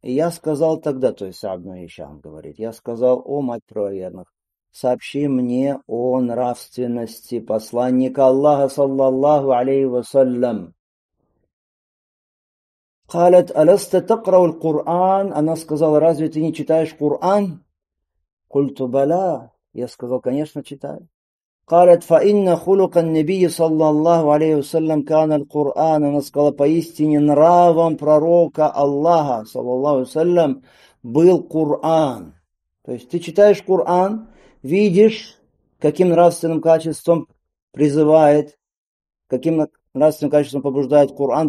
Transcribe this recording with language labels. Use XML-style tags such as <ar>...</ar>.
<ru>И я сказал тогда, то есть Саад ибн Хишам говорит, я сказал, о мать правоверных, сообщи мне о нравственности посланника Аллаха саллаллаху алейхи ва саллям.</ru> <ar>Калят алясте такрау Кур'ан.</ar> <ru>Она сказала, разве ты не читаешь Кур'ан?</ru> <ar>Культу баля.</ar> <ru>Я сказал, конечно, читаю.</ru> <ar>قالت فإن خلق النبي صلى الله عليه وسلم كان القرآن.</ar> <ru>Она сказала, поистине нравом пророка Аллаха, саллаллаху салям, был Куран. То есть ты читаешь Куран, видишь, каким нравственным качеством призывает, каким нравственным качеством побуждает Куран.</ru>